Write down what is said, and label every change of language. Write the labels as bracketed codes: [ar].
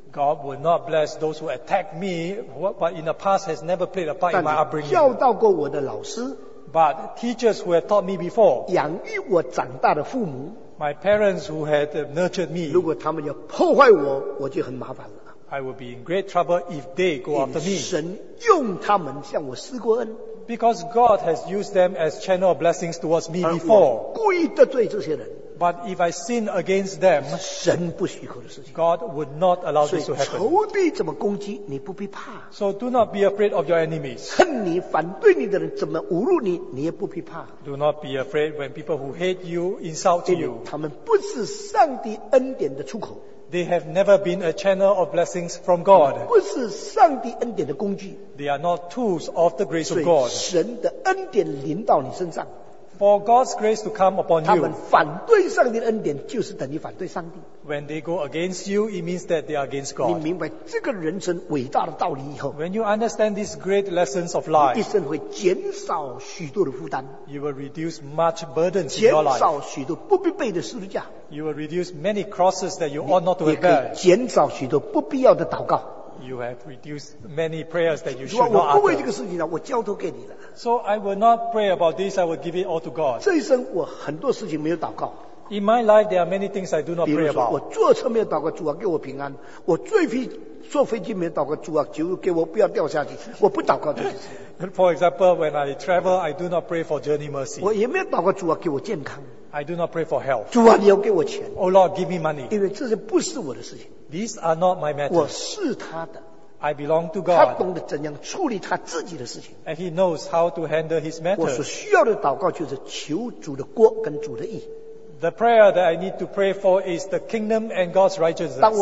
[en] God will not bless those who attack me but in the past has never played a part in my upbringing. [zh] 教导过我的老师， [en] but teachers who have taught me before, [zh] 养育我长大的父母， [en] my parents who had nurtured me, [zh] 如果他们要破坏我，我就很麻烦了。 [en] I will be in great trouble if they go after me. [zh] 神用他们向我施过恩， [en] because God has used them as channel of blessings towards me before. [zh] 而我故意得罪这些人， [en] but if I sin against them, [zh] 神不许可的事情， [en] God would not allow this to happen. [zh] 仇敌怎么攻击，你不必怕。 [en] So do not be afraid of your enemies. [zh] 恨你反对你的人怎么侮辱你，你也不必怕。 [en] Do not be afraid when people who hate you insult you. [zh] 他们不是上帝恩典的出口。 [en] They have never been a channel of blessings from God. [zh] 不是上帝恩典的工具。 [en] They are not tools of the grace of God. [zh] 神的恩典临到你身上， [en] for God's grace to come upon you, [zh] 他们反对上帝的恩典就是等于反对上帝。 [en] When they go against you, it means that they are against God. [zh] 你明白这个人生伟大的道理以后， [en] when you understand these great lessons of life, [zh] 你一生会减少许多的负担。 [en] You will reduce much burdens in your life. [zh] 减少许多不必备的十字架。 [en] You will reduce many crosses that you ought not to have bear. [zh] 减少许多不必要的祷告。 [en] You have reduced many prayers that you should not utter. [zh] 我不为这个事情了，我交托给你了。 [en] So I will not pray about this. I will give it all to God. [zh] 这一生我很多事情没有祷告。 [en] In my life, there are many things I do not pray about. [zh] 比如说，我坐车没有祷告主啊，给我平安。我坐飞机坐飞机没有祷告主啊，求给我不要掉下去。我不祷告这些。 [en] For example, when I travel, I do not pray for journey mercy. [zh] 我也没有祷告主啊，给我健康。 [en] I do not pray for health. [zh] 主啊，你要给我钱。 [en] Oh Lord, give me money. [zh] 因为这些不是我的事情。 [en] These are not my matters. [zh] 我是他的。 [en] I belong to God. [zh] 他懂得怎样处理他自己的事情。 [en] And he knows how to handle his matters. [zh] 我所需要的祷告就是求主的国跟主的义。 [en] The prayer that I need to pray for is the kingdom and God's righteousness.